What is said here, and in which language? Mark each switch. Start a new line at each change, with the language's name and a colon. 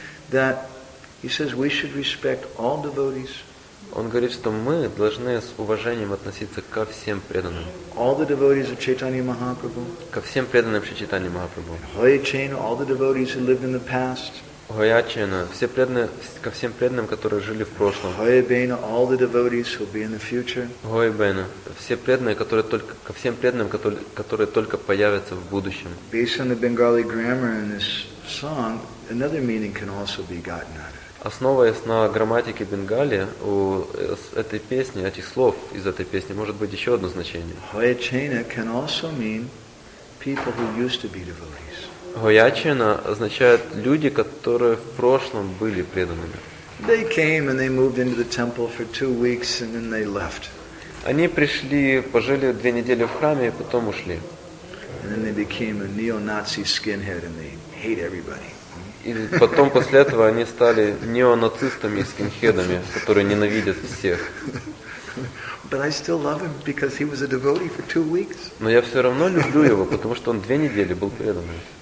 English: That he says we should respect all devotees.
Russian: Он говорит, что мы должны с уважением относиться ко всем преданным.
English: All the devotees of Chaitanya Mahaprabhu.
Russian: Ко всем преданным Шри Чайтаньи Махапрабху.
English: Hoyachena, all the devotees who lived in the past.
Russian: Hoyachena, все преданные, ко всем преданным, которые жили в прошлом.
English: Hoyabena, all the devotees who will be in the future.
Russian: Hoyabena, все преданные, которые только, ко всем преданным, которые только появятся в будущем.
English: Based on the Bengali grammar in this song, another meaning can also be gotten out of it.
Russian: Основываясь на грамматике Бенгали, у этой песни, этих слов из этой песни, может быть еще одно значение.
English: Hoyachena can also mean people who used to be devotees.
Russian: Hoyachena означает люди, которые в прошлом были преданными.
English: They came and they moved into the temple for 2 weeks and then they left.
Russian: Они пришли, пожили 2 недели в храме и потом ушли.
English: And then they became a neo-Nazi skinhead and they hate everybody.
Russian: И потом, после этого, они стали неонацистами и скинхедами, которые ненавидят всех. Но я все равно люблю его, потому что он 2 недели был преданным.